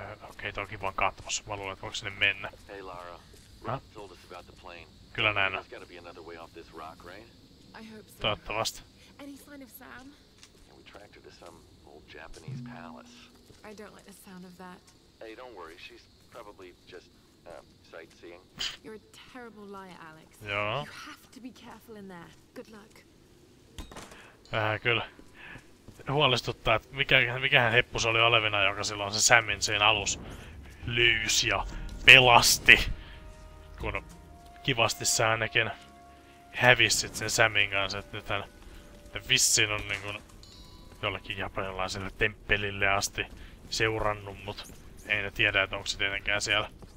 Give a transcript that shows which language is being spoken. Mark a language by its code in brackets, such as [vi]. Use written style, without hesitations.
[fi] Okei, toi onkin vaan katos. Mä luulen, että voiko sinne mennä. [en] Hey Lara, Rob told us about the plane. [fi] Kyllä näin on. [en] Gotta be another way off this rock, right? I hope so. [fi] Toivottavasti. [en] Any sign of Sam? We tracked her to some old Japanese palace. I don't like the sound of that. Hey, don't worry, she's probably just, sightseeing. You're a terrible liar, Alex. [fi] Joo. [en] You have to be careful in there. Good luck. [fi] Kyllä. Huolestuttaa, että mikähän heppus oli olevina, joka silloin se Samin siinä alus löysi ja pelasti. Kun kivasti sä ainakin hävisit sen Samin kanssa, että nythän vissiin on niin kuin jollekin japanilaiselle temppelille asti seurannut, mut ei ne tiedä, että onko se tietenkään siellä.